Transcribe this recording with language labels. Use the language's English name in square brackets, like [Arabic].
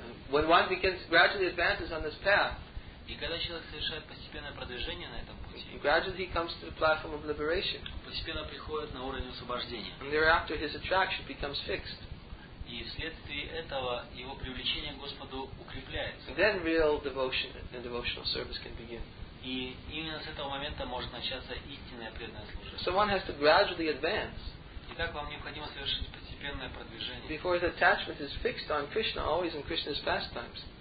[English] When one begins gradually advances on this path. [Russian] И когда человек совершает постепенное продвижение на этом пути, [English] gradually he comes to the platform of liberation. [Russian] Постепенно приходит на уровень освобождения. [English] And thereafter his attraction becomes fixed. [Russian] И вследствие этого его привлечение к Господу укрепляется. [English] Then real devotion and devotional service can begin. [Russian] И именно с этого момента может начаться истинное преданное служение. [English] So one has to gradually advance. [Russian] Итак, вам необходимо совершить постепенное продвижение. [English] Before his attachment is fixed on Krishna, always in Krishna's pastimes.